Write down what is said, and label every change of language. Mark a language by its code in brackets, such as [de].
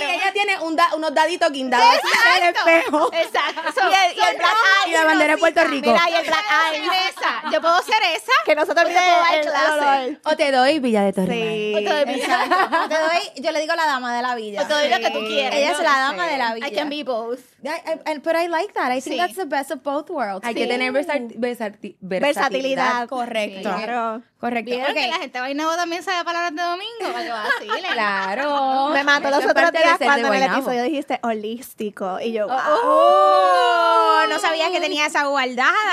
[es] Y ella tiene unos daditos guindados en el espejo. Exacto. Y el Black Eye. Y la bandera de Puerto Rico. Mira, y el Black Eye. Yo puedo ser esa. Que nosotros mismos vamos a clase. O te doy Villa de Torre. Sí. O te doy, yo le digo la dama de la villa. O te doy lo que tú quieras. Ella es la dama de la villa. [en] I can be both. But I like that. I think that's the best of both worlds. [es] Hay que tener versatilidad. Correcto. Sí. Claro. Correcto. Vieron que la gente de Guaynabo también sabe palabras de domingo. Vacile. Claro. Me mató los otros días cuando en el episodio dijiste holístico. Y yo, ¡oh! Oh, no sabía que tenía esa guardada.